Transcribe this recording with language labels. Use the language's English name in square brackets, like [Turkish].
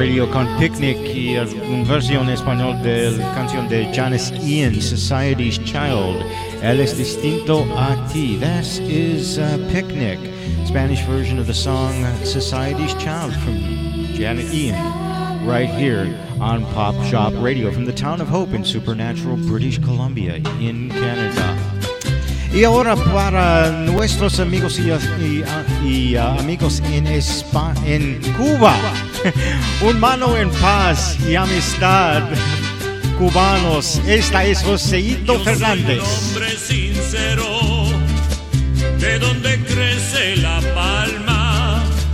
[Spanish] Con Picnic y una versión español de la canción de Janis Ian, Society's Child. Él es distinto a ti. [English] This is Picnic, Spanish version of the song Society's Child from Janis Ian, right here on Pop Shop Radio from the town of Hope in Supernatural, British Columbia, in Canada. [Spanish] Y ahora para nuestros amigos y amigos en Cuba. Un mano en paz y amistad, cubanos. Esta es Joseito Fernández. Yo soy hombre sincero, de donde crece la palma.